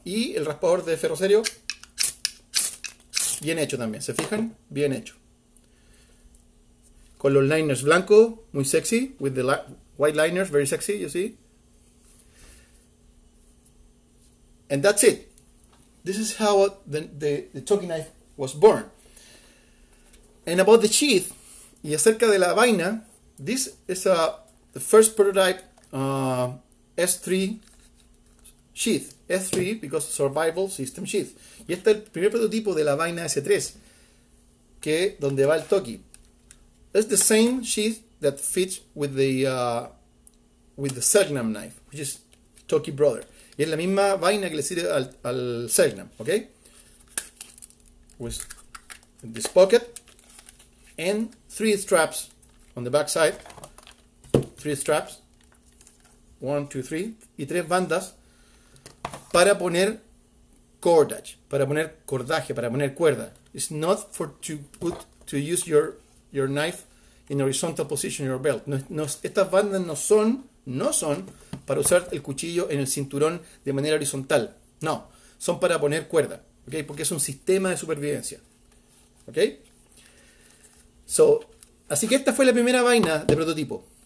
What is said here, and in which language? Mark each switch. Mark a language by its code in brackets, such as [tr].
[es] Y el raspador de ferroserio, bien hecho también, ¿se fijan? Bien hecho. Con los liners blancos, muy sexy. [en] With the white liners, very sexy, you see. And that's it. This is how the Toki knife was born. And about the sheath, [es] y acerca de la vaina [en] This is a the first prototype S3 sheath. S3 because survival system sheath. [es] Y este es el primer prototipo de la vaina S3, que donde va el Toki. [en] It's the same sheath that fits with the Selknam knife, which is Toki brother. [es] Y es la misma vaina que le sirve al Selknam, ¿ok? [en] With this pocket and three straps on the back side. Three straps. 1, 2, 3. [es] Y tres bandas para poner cordage. Para poner cordaje, para poner cuerda. [en] It's not for to use your knife in horizontal position in your belt. [es] Estas bandas no son para usar el cuchillo en el cinturón de manera horizontal. No. Son para poner cuerda. Okay, porque es un sistema de supervivencia. Okay? So, así que esta fue la primera vaina de prototipo.